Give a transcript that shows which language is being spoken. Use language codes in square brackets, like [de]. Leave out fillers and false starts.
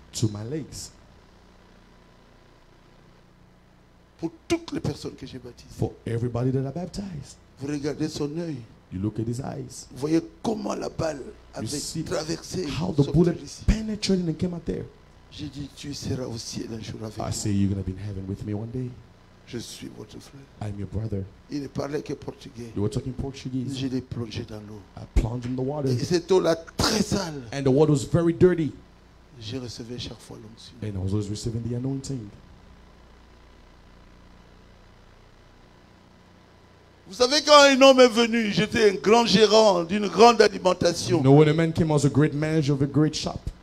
[en] To my legs. [fr] Pour toutes les personnes que j'ai baptisées. [en] For everybody that I baptized. [fr] Vous regardez son œil. [en] You look at his eyes. [fr] Vous voyez comment la balle avait traversé. [en] How the bullet penetrated and came out there. [fr] J'ai dit, tu seras au ciel un jour avec moi. [en] I say you're going to be in heaven with me one day. [fr] Je suis votre frère. [en] I'm your brother. [fr] Il ne parlait que portugais. [en] You were talking Portuguese. [fr] Je l'ai plongé dans l'eau. [en] I plunged in the water. [fr] Et cette eau là très sale. [en] And the water was very dirty. [fr] J'ai recevé chaque fois l'onction. [en] And I was always receiving the anointing. [fr] Vous savez quand un homme est venu, j'étais un grand gérant d'une grande alimentation. [en] You know when a man came, I was a great manager of a great shop.